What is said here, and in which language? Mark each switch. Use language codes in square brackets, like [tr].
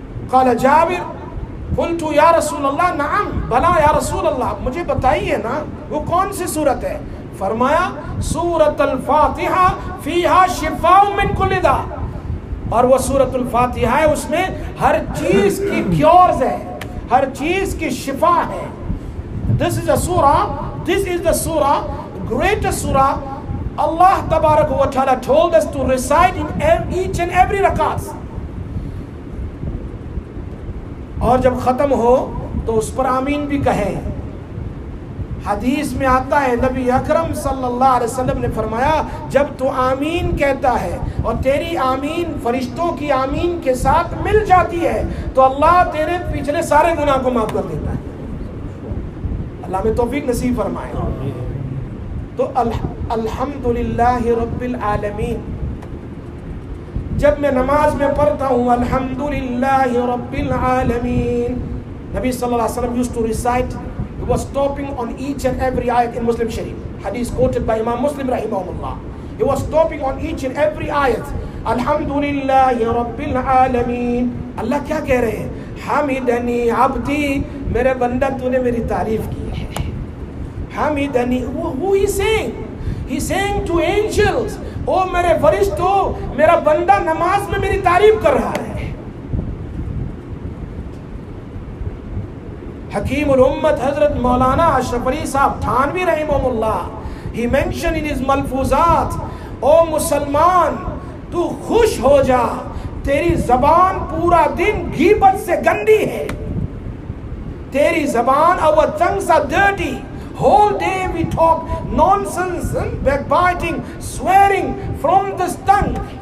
[ar] قال جابر, قلت يا رسول الله, نعم بلا يا رسول الله, [ur] مجھے بتائیے نا وہ کون سی سورت ہے. فرمایا, [ar] سورة الفاتحة فيها شفاء من كل داء, [ur] اور وہ سورة الفاتحة ہے, اس میں ہر چیز کی کیورز ہے, ہر چیز کی شفا ہے. [en] This is a surah, this is the surah, greatest surah Allah tabarak wa ta'ala told us to recite in each and every rakat. [ur] اور جب ختم ہو تو اس پر آمین بھی کہیں. حدیث میں آتا ہے نبی اکرم صلی اللہ علیہ وسلم نے فرمایا, جب تو آمین کہتا ہے اور تیری آمین فرشتوں کی آمین کے ساتھ مل جاتی ہے, تو اللہ تیرے پچھلے سارے گناہ کو معاف کر دیتا ہے. اللہ میں توفیق نصیب فرمائے. تو الحمدللہ رب العالمین, جب میں نماز میں پڑھتا ہوں [en] الحمدللہ رب العالمین, نبی صلی اللہ علیہ وسلم used to recite, he was stopping on each and every ayat in Muslim Sharif, hadith quoted by Imam Muslim رحمہ اللہ, he was stopping on each and every ayat الحمدللہ رب العالمین. [ur] اللہ کیا کہہ رہے ہیں, حمدنی عبدی, میرے بندہ تو نے میری تعریف کی. [ar] حمدنی, [en] who he saying? He saying to angels, oh [ur] میرے فرشتو, میرا بندہ نماز میں میری تعریف کر رہا ہے. حکیم الامت حضرت مولانا اشرف علی صاحب تھانوی رحمہ اللہ, [en] he mentioned in his [ur] ملفوظات, oh مسلمان تو خوش ہو جا, تیری زبان پورا دن غیبت سے گندی ہے, teri zaban, [en] our tongues are dirty. Whole day we talk nonsense and backbiting, swearing from this tongue.